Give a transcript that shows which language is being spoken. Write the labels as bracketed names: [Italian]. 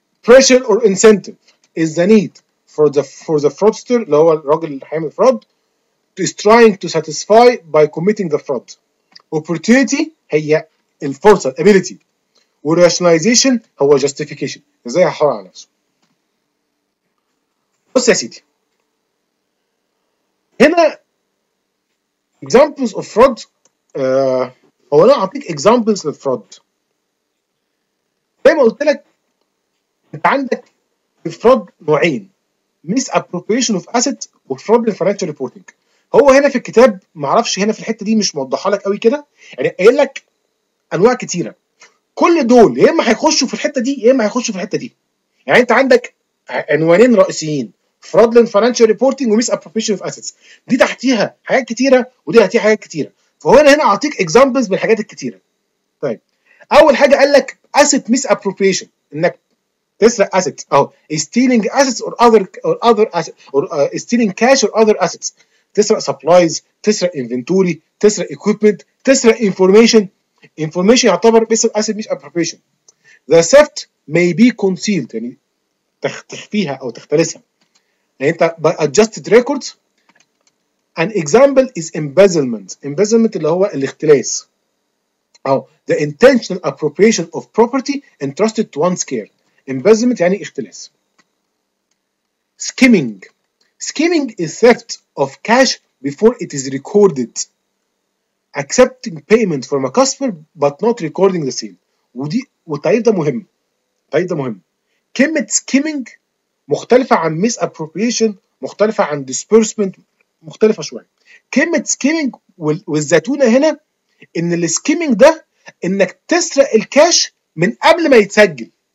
[English] Pressure or incentive is the need for the fraudster, [Arabic] اللي هو الراجل اللي هيعمل فرود, [English] is trying to satisfy by committing the fraud. [Arabic] Opportunity هي الفرصة, ability. Rationalization هو justification. ازاي هحاول على نفسه. بص يا سيدي. هنا [English] examples of fraud, [Arabic] هو انا اعطيك examples of fraud. زي ما قلت لك انت عندك الفراد نوعين, ميس ابروبريشن اوف اسيت وفراد للفاينانشال ريبورتنج. هو هنا في الكتاب ما اعرفش هنا في الحته دي مش موضحها لك قوي كده, يعني قايل لك انواع كتيره. كل دول يا اما هيخشوا في الحته دي يا اما هيخشوا في الحته دي. يعني انت عندك عنوانين رئيسيين, فراد للفاينانشال ريبورتنج وميس ابروبريشن اوف اسيتس. دي تحتيها حاجات كتيره ودي تحتيها حاجات كتيره. فهو هنا اعطيك اكزامبلز من الحاجات الكتيره. طيب اول حاجه قال لك اسيت ميس ابروبريشن, انك تسرق assets أو [English] stealing assets or other assets [Arabic] or stealing cash or other assets. تسرق supplies, تسرق inventory, تسرق equipment, تسرق information. Information يعتبر مثل asset مش appropriation. [English] The theft may be concealed, [Arabic] يعني تخفيها أو تختلسها. يعني أنت by adjusted records. [English] An example is embezzlement. Embezzlement [Arabic] اللي هو الاختلاس. أو [English] the intentional appropriation of property entrusted to one's care. [Arabic] Embezzlement يعني اختلاس. [English] Skimming. Skimming is theft of cash before it is recorded. Accepting payment from a customer but not recording the sale. [Arabic] ودي والتعريف ده مهم. التعريف ده مهم. كلمة skimming مختلفة عن misappropriation, مختلفة عن disbursement, مختلفة شوية. كلمة skimming والزتونة هنا ان السكيمينج ده انك تسرق الكاش من قبل ما يتسجل.